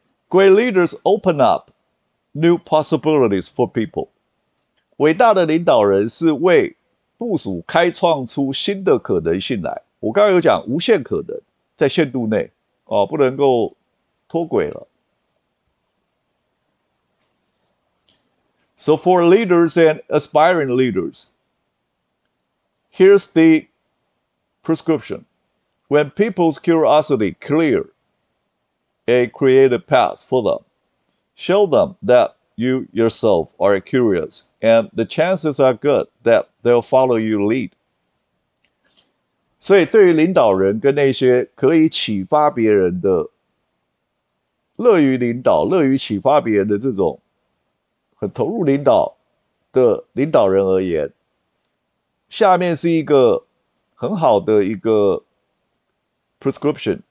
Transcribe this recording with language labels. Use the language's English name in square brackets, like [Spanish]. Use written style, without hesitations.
[English] Great leaders open up new possibilities for people。 [Chinese] 伟大的领导人是为部署开创出新的可能性来。我刚刚有讲无限可能，在限度内，哦，不能够脱轨了。 [English] So for leaders and aspiring leaders, here's the prescription. When people's curiosity clear a creative path for them, show them that you yourself are curious, and the chances are good that they'll follow you lead. [Chinese] 所以，对于领导人跟那些可以启发别人的、乐于领导、乐于启发别人的这种很投入领导的领导人而言，下面是一个很好的一个 prescription。